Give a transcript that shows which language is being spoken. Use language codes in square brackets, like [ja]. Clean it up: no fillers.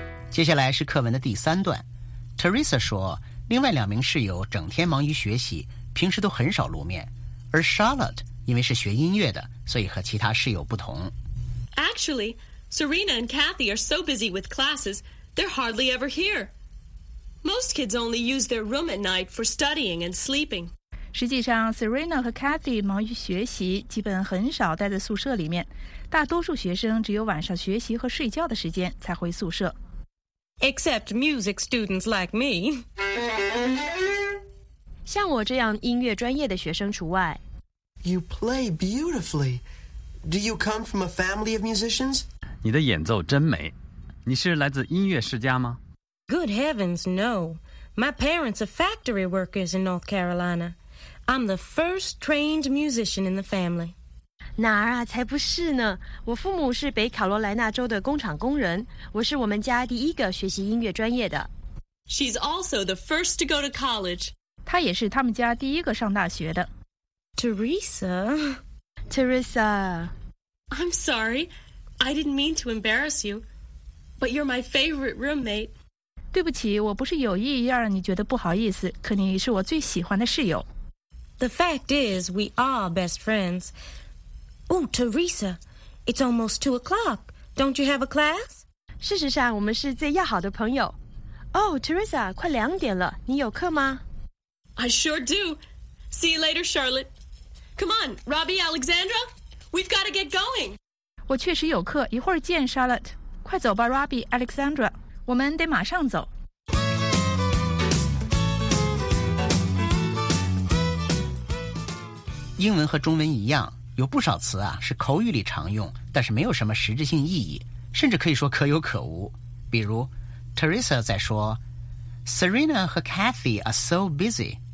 [zh] 接下来是课文的第三段。Teresa 说另外两名室友整天忙于学习，平时都很少露面，而 Charlotte 因为是学音乐的，所以和其他室友不同。 [en] ActuallySerena and Kathy are so busy with classes, they're hardly ever here. Most kids only use their room at night for studying and sleeping. [zh] 实际上 ,Serena 和 Kathy 忙于学习，基本很少待在宿舍里面。大多数学生只有晚上学习和睡觉的时间才回宿舍。 [en] Except music students like me. [zh] 像我这样音乐专业的学生除外。 [en] You play beautifully. Do you come from a family of musicians? [zh] 你的演奏真美，你是来自音乐世家吗？ [en] Good heavens, no. My parents are factory workers in North Carolina. I'm the first trained musician in the family. [zh] 哪儿啊，才不是呢。我父母是北卡罗来纳州的工厂工人，我是我们家第一个学习音乐专业的。 [en] She's also the first to go to college. [zh] 她也是他们家第一个上大学的。 [en] Teresa. Teresa. I'm sorry. I didn't mean to embarrass you, but you're my favorite roommate. [zh] 对不起，我不是有意要让你觉得不好意思，可你是我最喜欢的室友。 [en] The fact is, we are best friends. Oh, Teresa, it's almost 2 o'clock. Don't you have a class? [zh] 事实上，我们是最要好的朋友。 [en] Oh, Teresa, [zh] 快两点了，你有课吗？ [en] I sure do. See you later, Charlotte. Come on, Robbie, Alexandra, we've got to get going. [zh] 我确实有课，一会儿见 ，Charlotte. 快走吧 ，Robbie, Alexandra. 我们得马上走。英文和中文一样，有不少词啊是口语里常用，但是没有什么实质性意义，甚至可以说可有可无。比如 ，Teresa 在说 ，Serena 和 Kathy [en] are so busy。